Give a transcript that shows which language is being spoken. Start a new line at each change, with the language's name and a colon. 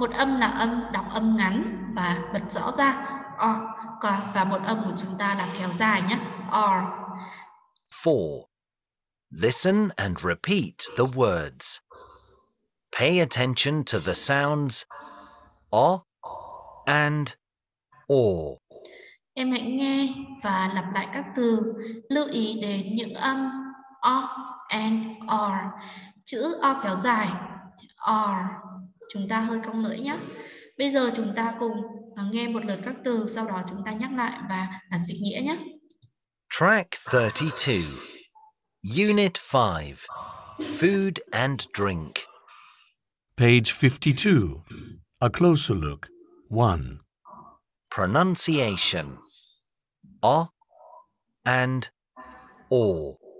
Vietnamese: Một âm là âm đọc âm ngắn và bật rõ ra O. Và một âm của chúng ta là kéo dài nhé, R. 4.
English: Listen and repeat the words. Pay attention to the sounds O and or.
Vietnamese: Em hãy nghe và lặp lại các từ, lưu ý đến những âm O and R. Chữ O kéo dài R. chúng ta hơi cong lưỡi nhé. Bây giờ chúng ta cùng nghe một lượt các từ, sau đó chúng ta nhắc lại và đặt dịch nghĩa nhé.
English: Track 32, Unit 5, Food and Drink. Page 52, A Closer Look, 1. Pronunciation, a and or.